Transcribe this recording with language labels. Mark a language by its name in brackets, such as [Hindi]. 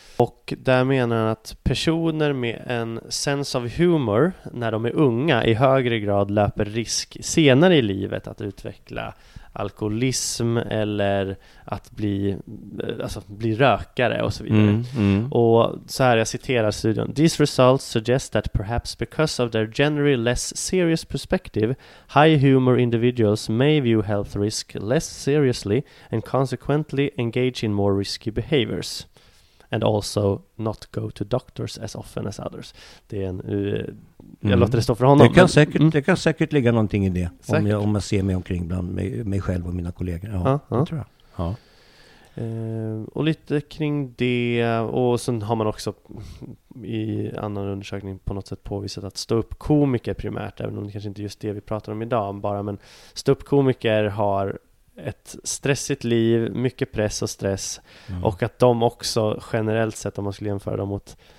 [Swedish] Och där menar han att personer med en sense of humor när de är unga i högre grad löper risk senare i livet att utveckla alkoholism eller att bli rökare och så vidare. Och så här, jag citerar studien: [English] "These results suggest that perhaps because of their generally less serious perspective, high humor individuals may view health risk less seriously and consequently engage in more risky behaviors and also not go to doctors as often as others." [Swedish] Det är en jag låter det stå för honom. Det kan säkert ligga någonting i det. Säkert. Om jag ser mig omkring bland mig själv och mina kollegor. Tror jag. Och lite kring det, och sen har man också i annan undersökning på något sätt påvisat att ståuppkomiker primärt, även om det kanske inte är just det vi pratar om idag, men ståuppkomiker har ett stressigt liv, mycket press och stress, och att de också generellt sett, om man skulle jämföra dem mot